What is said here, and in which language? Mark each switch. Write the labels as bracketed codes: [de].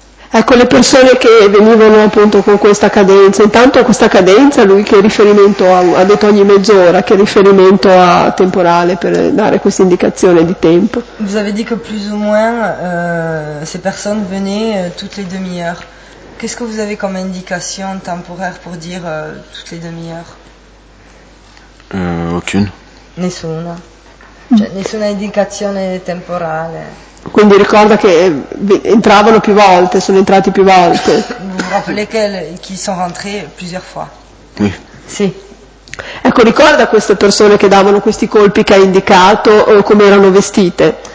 [it] Ecco, le persone che venivano appunto con questa cadenza, intanto questa cadenza, lui che riferimento ha, ha detto ogni mezz'ora, che riferimento ha temporale per dare questa indicazione di tempo? [fr] Vous avez dit que plus ou moins ces personnes venaient toutes les demi-heures. Qu'est-ce que vous avez comme indication temporaire pour dire toutes les demi-heures? Aucune. [it] Nessuna. Cioè, nessuna indicazione temporale. Quindi ricorda che entravano più volte, sono entrati più volte. [fr] Vous vous rappelez qu'ils sont rentrés plusieurs fois? Oui. [it] Sì. Ecco, ricorda queste persone che davano questi colpi che ha indicato come erano vestite?